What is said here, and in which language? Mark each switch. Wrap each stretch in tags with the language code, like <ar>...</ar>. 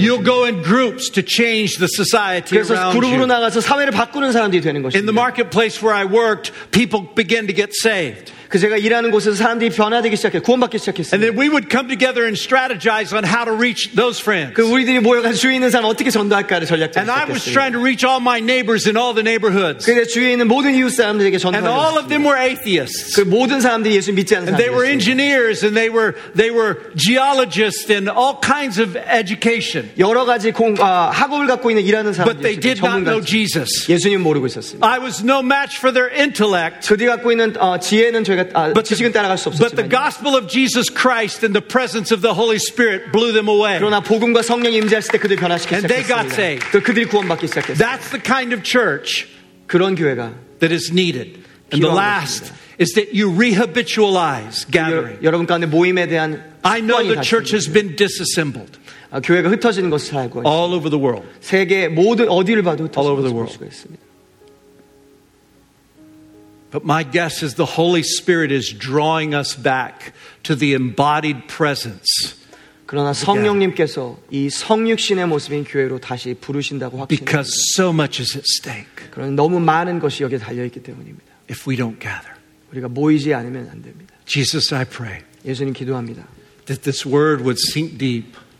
<en>You'll go in groups to change the society.</en> <ko>그래서 그룹으로 나가서 사회를 바꾸는 사람들이 되는 것입니다.</ko> <en>In the marketplace where I worked, people began to get saved.</en> <ko>그 제가 일하는 곳에서 사람들이 변화되기 시작해 구원받기 시작했어요.</ko> <en>And then we would come together and strategize on how to reach those friends.</en> <ko>그 우리들이 모여가지고 주위에 있는 사람 어떻게 전도할까를 전략적으로</ko> <en>And I was trying to reach all my neighbors in all the neighborhoods.</en> <ko>그 주위에 있는 모든 이웃 사람들에게 전도하고</ko> <en>And all of them were atheists.</en> <ko>그 모든 사람들이 예수 믿지 않는 사람들.</ko> <en>And they were engineers and they were geologists and all kinds of education.</en> <ko>여러 가지 학업을 갖고 있는 일하는 사람들.</ko> <en>But they did not know Jesus.</en> <ko>예수님 모르고 있었습니다.</ko> <en>I was no match for their intellect.</en> <ko>그들이 갖고 있는 지혜는</ko> <en>But the gospel of Jesus Christ and the presence of the Holy Spirit blew them away.</en> <ko>그러나 복음과 성령이 임재했을 때 그들이 변화시켰습니다.</ko> <en>And they got saved.</en> <ko>또 그들이 구원받기 시작했습니다.</ko> <en>That's the kind of church</en> <ko>그런 교회가</ko> <en>that is needed. And the last is that you rehabitualize gathering.</en> <ko>여러분 가운데 모임에 대한</ko> <en>I know the church has been disassembled.</en> <ko>교회가 흩어지는 것을 알고 있습니다.</ko> <en>All over the world.</en> <ko>세계 모든 어디를 봐도 흩어지고 있습니다.</ko> <en>But my guess is the Holy Spirit is drawing us back to the embodied presence.</en> <ko>그러나 성령님께서 이 성육신의 모습인 교회로 다시 부르신다고 확신.</ko> <en>Because so much is at stake.</en> <ko>그런 너무 많은 것이 여기에 달려 있기 때문입니다.</ko> <en>If we don't gather,</en> <ko>우리가 모이지 않으면 안 됩니다.</ko> <en>Jesus, I pray.</en> <ko>예수님 기도합니다.</ko> <en>That this word would sink deep.</en>